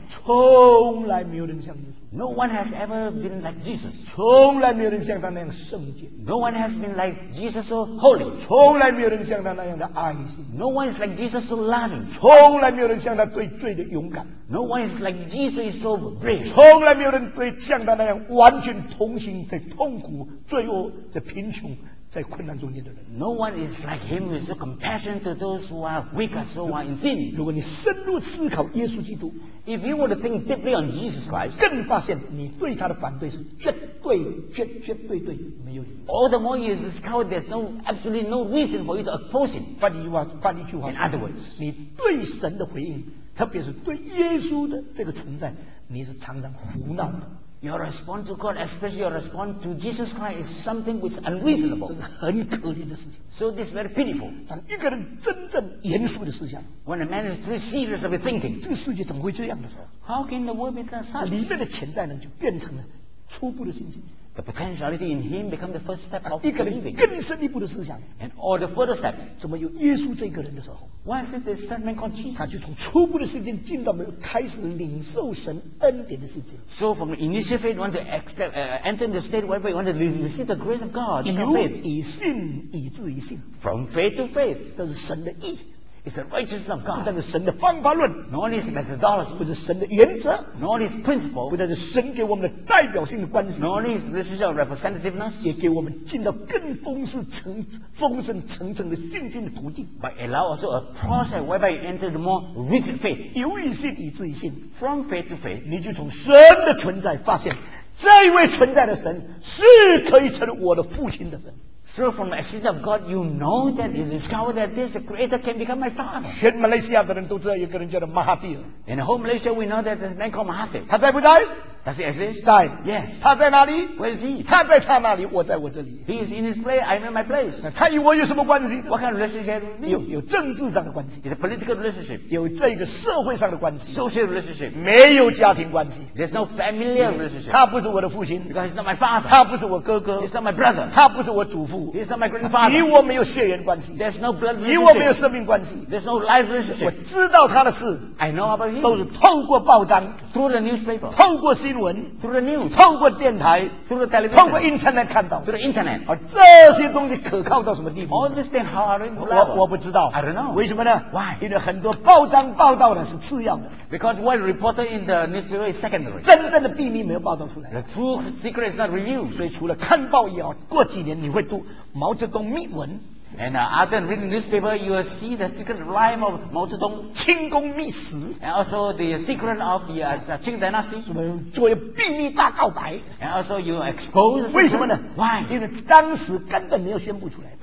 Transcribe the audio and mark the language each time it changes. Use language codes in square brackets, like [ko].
[zh] 从来没有人像耶稣。 [en] No one has ever been like Jesus. [zh] 从来没有人像他那样圣洁。 [en] No one has been like Jesus so holy. [zh] 从来没有人像他那样的爱心。 [en] No one is like Jesus so loving. [zh] 从来没有人像他对罪的勇敢。 [en] No one is like Jesus is so brave. [zh] 从来没有人对像他那样完全同情在痛苦罪恶的贫穷在困难中间的人。 [en] No one is like him with so compassion to those who are weak and so are in sin. [zh] 如果你深入思考耶稣基督， [en] If you were to think deeply on Jesus Christ, [zh] 更发现你对他的反对是绝对绝绝对对没有理由。 [en] All the more you discover there's no absolutely no reason for you to oppose him. [zh] 翻译一句话， [en] In other words, [zh] 你对神的回应，特别是对耶稣的这个存在，你是常常苦恼的。 [en] Your response to God, especially your response to Jesus Christ, is something which is unreasonable. [zh] 这是很可怜的事情。 [en] So this is very pitiful. [zh] 当一个人真正严肃的思想， [en] When a man is very serious of his thinking, [zh] 这个世界怎么会这样的时候？ [en] How can the world be that such? [zh] 里面的潜在呢，就变成了初步的信心。 [en] The potentiality in him become the first step of believing. [zh] 更深一步的思想， [en] and all the further step. [zh] 怎么有耶稣这个人的时候？ [en] Why is this man called Jesus? [zh] 他就从初步的信心进到没有开始领受神恩典的信心。 [en] So from initial faith, want to accept, enter the state where we want to receive the grace of God. [zh] 以信以至于信。 [en] From faith to faith, [zh] 这是神的义。 [en] Is the righteousness of God. [zh] 不但是神的方法论， [en] nor his methodology. [zh] 不是神的原则， [en] nor his principle. [zh] 不但是神给我们的代表性的关系， [en] nor his relationship representativeness. [zh] 也给我们进到更丰盛层层的信心的途径， [en] but allow also a process whereby you enter the more rich faith. [zh] 由于信以至于信， [en] from faith to faith. [zh] 你就从神的存在发现，这一位存在的神是可以成我的父亲的神。 [en] So from the existence of God, you know that you discover that this creator can become my father. [zh] 全马来西亚的人都知道有个人叫做马哈蒂。 [en] In the whole Malaysia, we know that there's a man called Mahathir. [zh] 他在不在？ [en] Does he exist? [zh] 在。 [en] Yes. [zh] 他在哪里？ [en] Where is he? [zh] 他在他那里，我在我这里。 [en] He is in his place. I'm in my place. [zh] 他与我有什么关系？ [en] What kind of relationship with me? [zh] 有政治上的关系。 [en] It's a political relationship. [zh] 有这个社会上的关系。 [en] Social relationship. [zh] 没有家庭关系。 [en] There's no familial relationship. [zh] 他不是我的父亲。 [en] Because he's not my father. [zh] 他不是我哥哥。 [en] He's not my brother. [zh] 他不是我祖父。 [en] He's not my grandfather. [zh] 与我没有血缘关系。 [en] There's no blood relationship. [zh] 与我没有生命关系。 [en] There's no life relationship. [zh] 我知道他的事。 [en] I know about him. [zh] 都是透过报章。 [en] Through the newspaper. [zh] 透过新闻。 [en] Through the news, [zh] 透过电台 [en] through the television, [zh] 透过 internet 看到 [en] through the internet, [zh] 而这些东西可靠到什么地方 [en] all this thing, how are [zh] you 我不知道 [en] I don't know [zh] 为什么呢 [en] why [zh] 因为很多报章报道的是次要的 [en] because what reported in the newspaper is secondary [zh] 真正的秘密没有报道出来 [en] the true secret is not revealed [zh] 所以除了看报以后过几年你会读毛泽东密文 [en] And after reading newspaper, you will see the secret rhyme of Mao Zedong, [zh] 清宫秘史 [en] and also the secret of the Qing Dynasty. [zh] 什么做一个秘密大告白 [en] and also you expose. [zh] 为什么呢 [en] ？Why？ [zh] 因为当时根本没有宣布出来